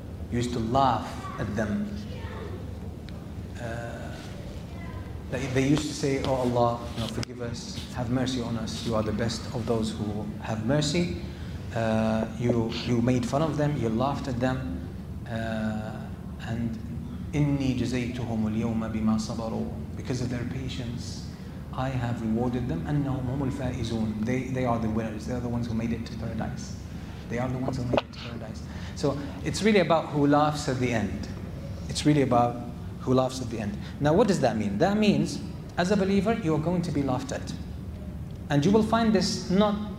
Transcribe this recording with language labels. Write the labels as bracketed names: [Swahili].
[English] You used to laugh at them. They used to say, oh Allah, you know, forgive us, have mercy on us. You are the best of those who have mercy. You made fun of them, you laughed at them. And [Arabic] إِنِّي جَزَيْتُهُمُ الْيَوْمَ بِمَا صَبَرُوا. [English] Because of their patience, I have rewarded them. [Arabic] أَنَّهُمْ هُمُ الْفَائِزُونَ. [English] They are the winners, they are the ones who made it to paradise. They are the ones who made it to paradise. So it's really about who laughs at the end. It's really about who laughs at the end. Now what does that mean? That means, as a believer, you're going to be laughed at. And you will find this not...